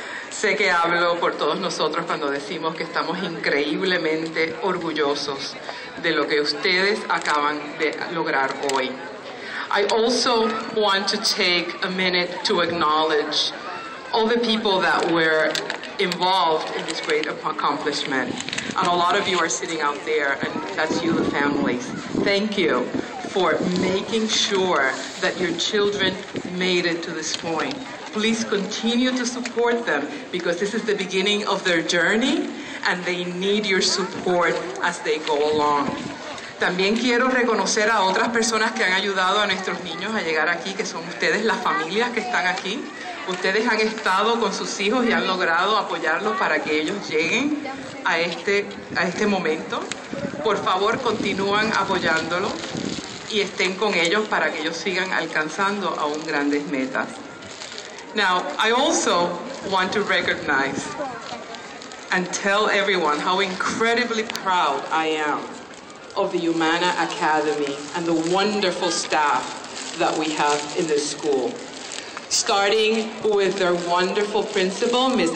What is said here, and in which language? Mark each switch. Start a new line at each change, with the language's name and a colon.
Spanish: Sé que hablo por todos nosotros cuando decimos que estamos increíblemente orgullosos de lo que ustedes acaban de lograr hoy.
English: I also want to take a minute to acknowledge all the people that were involved in this great accomplishment. And a lot of you are sitting out there, and that's you, the families. Thank you for making sure that your children made it to this point. Please continue to support them because this is the beginning of their journey and they need your support as they go along.
Spanish: También quiero reconocer a otras personas que han ayudado a nuestros niños a llegar aquí, que son ustedes, las familias que están aquí. Ustedes han estado con sus hijos y han logrado apoyarlos para que ellos lleguen a este momento. Por favor, continúen apoyándolos y estén con ellos para que ellos sigan alcanzando aún grandes metas.
English: Now, I also want to recognize and tell everyone how incredibly proud I am of the Humana Academy and the wonderful staff that we have in this school. Starting with their wonderful principal, Ms.